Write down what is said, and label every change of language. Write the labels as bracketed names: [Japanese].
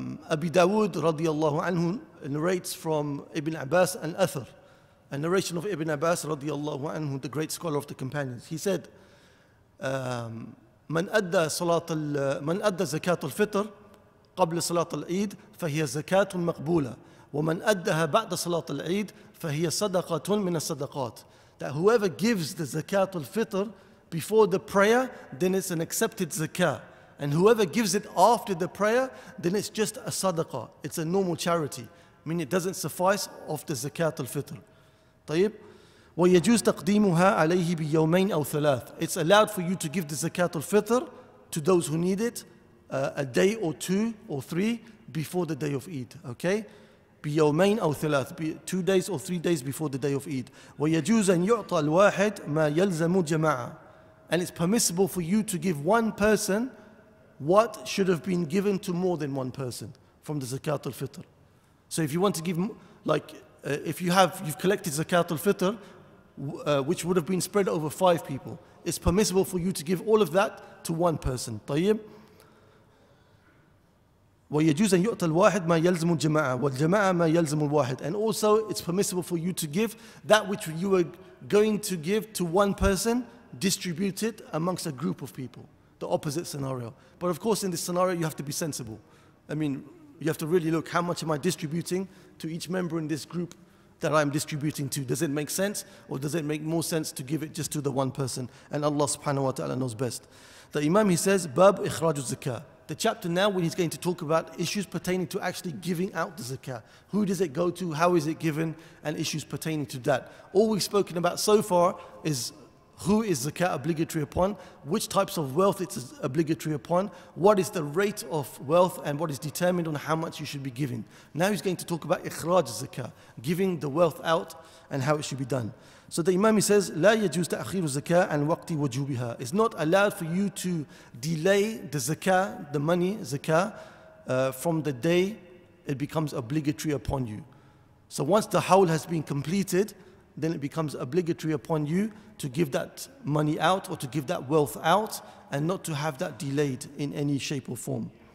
[English] Abi Dawood radiallahu anhu narrates from Ibn Abbas and Athar, a narration of Ibn Abbas radiallahu anhu, the great scholar of the companions. He said, [Arabic] من أدى زكاة الفطر قبل صلاة العيد فهي زكاة مقبولة ومن أدها بعد صلاة العيد فهي صدقة من الصدقات. [English] That whoever gives the zakat al-fitr before the prayer, then it's an accepted zakat. And whoever gives it after the prayer, then it's just a sadaqah. It's a normal charity. I mean, it doesn't suffice of the zakat al-fitr. [Arabic] طيب. وَيَجُوزْ تَقْدِيمُهَا عَلَيْهِ بِيَوْمَيْنْ أَوْ ثَلَاثٍ. [English] It's allowed for you to give the zakat al-fitr to those who need it a day or two or three before the day of Eid. Okay? [Arabic] بِيَوْمَيْنْ أَوْ ثَلَاثٍ. [English] 2 days or 3 days before the day of Eid. [Arabic] وَيَجُوزْ أَنْ يُعْطَى الْوَاحِدُ مَا يَلْزَمُ جَمَاعًا. [English] And it's permissible for you to give one person what should have been given to more than one person from the zakat al-fitr. So if you want to give, like, if you've collected zakat al-fitr, which would have been spread over 5 people, it's permissible for you to give all of that to one person. [Arabic] طيب. ويجوز أن يعطى الواحد ما يلزم الجماعة والجماعة ما يلزم الواحد. [English] And also, it's permissible for you to give that which you were going to give to one person, distribute it amongst a group of people. The opposite scenario. But of course, in this scenario, you have to be sensible. I mean, you have to really look, how much am I distributing to each member in this group that I'm distributing to? Does it make sense? Or does it make more sense to give it just to the one person? And Allah subhanahu wa ta'ala knows best. The Imam, he says, Bab ikhraju zakah. The chapter now, when he's going to talk about issues pertaining to actually giving out the zakah. Who does it go to? How is it given? And issues pertaining to that. All we've spoken about so far is, who is zakat obligatory upon? Which types of wealth it's obligatory upon? What is the rate of wealth and what is determined on how much you should be giving? Now he's going to talk about ikhraj zakat, giving the wealth out and how it should be done. So the Imam says, [Arabic] لا يجوز تأخير الزكاة عن وقت وجوبها. [English] It's not allowed for you to delay the zakat, the money, zakat, from the day it becomes obligatory upon you. So once the hawl has been completed, then it becomes obligatory upon you to give that money out or to give that wealth out and not to have that delayed in any shape or form.